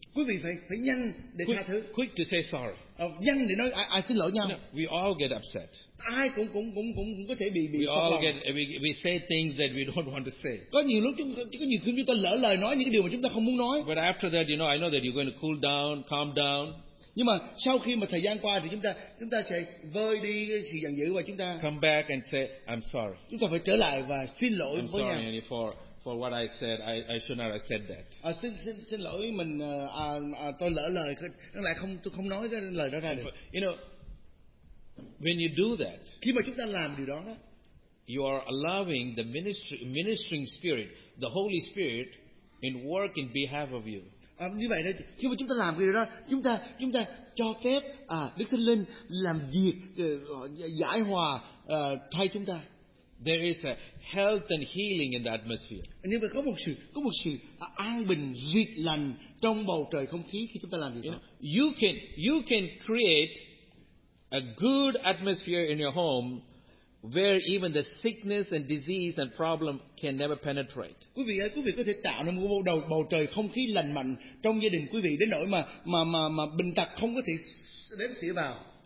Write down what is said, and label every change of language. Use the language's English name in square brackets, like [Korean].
[Vietnamese] Quý vị phải nhanh để tha thứ. [English] Quick to say sorry. [Vietnamese] Nhanh để nói ai xin lỗi nhau. [English] No, we all get upset. [Vietnamese] Ai cũng có thể bị phát lòng. [English] We say things that we don't want to say. [Vietnamese] Có nhiều lúc chúng ta lỡ lời nói những cái điều mà chúng ta không muốn nói. [English] But after that, I know that you're going to cool down, calm down. [Vietnamese] Nhưng mà sau khi mà thời gian qua thì chúng ta sẽ vơi đi sự giận dữ và chúng ta [English] come back and say I'm sorry. [Vietnamese] Chúng ta phải trở lại và xin lỗi với [English] sorry, [Vietnamese] nhau. [English] Annie, for what I said, I should not have said that. [Vietnamese] Xin lỗi mình, tôi lỡ lời, lại không tôi không nói cái lời đó ra được. [English] You know, when you do that, [Vietnamese] khi mà chúng ta làm điều đó, [English] you are allowing the ministering spirit, the Holy Spirit, in work in behalf of you. [Vietnamese] Như vậy đó, khi mà chúng ta làm điều đó, chúng ta cho phép Đức Thánh Linh làm việc giải hòa thay chúng ta. [English] There is a health and healing in the atmosphere. [Vietnamese] Nhưng mà có một sự an bình, duyệt lành trong bầu trời không khí khi chúng ta làm việc. [English] You can create a good atmosphere in your home where even the sickness and disease and problem can never penetrate. [Vietnamese] Quý vị ơi, quý vị có thể tạo nên một bầu trời không khí lành mạnh trong gia đình quý vị đến nỗi mà bệnh tật không có thể đến xỉa vào.